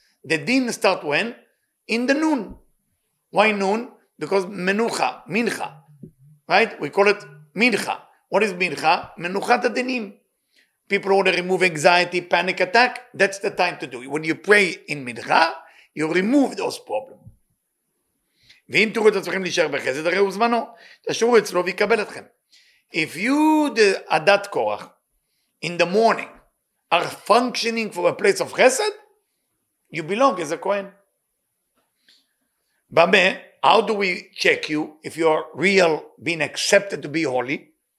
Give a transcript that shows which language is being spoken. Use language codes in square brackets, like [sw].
[en] The din start when? In the noon. Why noon? Because menucha, mincha. Right? We call it mincha. What is mincha? Menuchat adinim. People want to remove anxiety, panic attack. That's the time to do it. When you pray in mincha, you remove those problems. [he] ואם תראו את עצמכם להישאר בחסד, הרי הוא זמנו, תשאירו אצלו ויקבל אתכם. [en] If you, the Adat Korach, in the morning, are functioning for a place of chesed, you belong as a Kohen. [he] במה, [en] how do we check you, if you are real, being accepted to be holy?